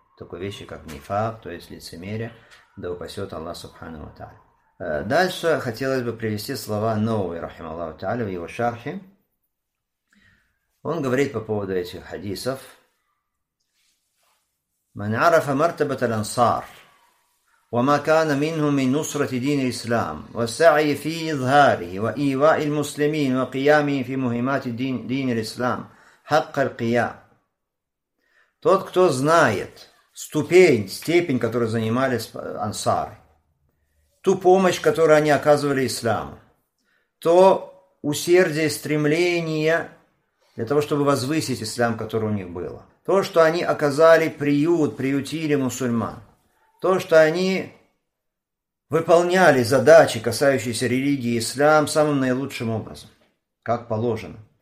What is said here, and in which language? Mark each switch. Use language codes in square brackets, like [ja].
[ru] Такой вещи, как нифак, то есть лицемерие, да упасет Аллах Субхану Ва Тааля. Дальше хотелось бы привести слова Новый, рахим Аллаху Тааля, в его шархе. Он говорит по поводу этих хадисов. [ar] Ман арафа мартабата лансар. وما كان منه من نصرة دين الإسلام والسعي في إظهاره وإيواء المسلمين وقيامه في مهمات دين الإسلام حق القيام. [ru] Тот, кто знает степень, которую занимались ансары, ту помощь, которую они оказывали исламу, то усердие и стремление для того, чтобы возвысить ислам, который у них было, то, что они оказали приютили мусульман, то, что они выполняли задачи, касающиеся религии и ислам, самым наилучшим образом, как положено.